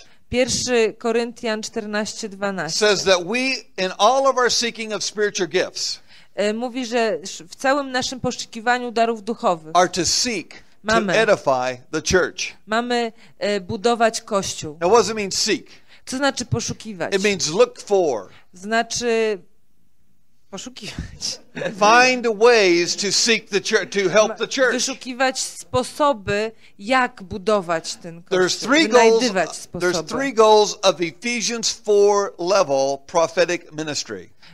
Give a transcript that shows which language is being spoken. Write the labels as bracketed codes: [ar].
[en] 1 Corinthians 14:12 says that we in all of our seeking of spiritual gifts. [pl] Mówi, że w całym naszym poszukiwaniu darów duchowych [en] are to seek to edify the church. [pl] Mamy budować kościół. [en] Now what does it mean seek? [pl] Co znaczy poszukiwać? [en] It means look for. [pl] Znaczy poszukiwać. [en] Find ways to seek the church, to help the church. [pl] Wyszukiwać sposoby, jak budować ten kościół. [en] There's three goals. There's three goals of Ephesians 4 level prophetic ministry.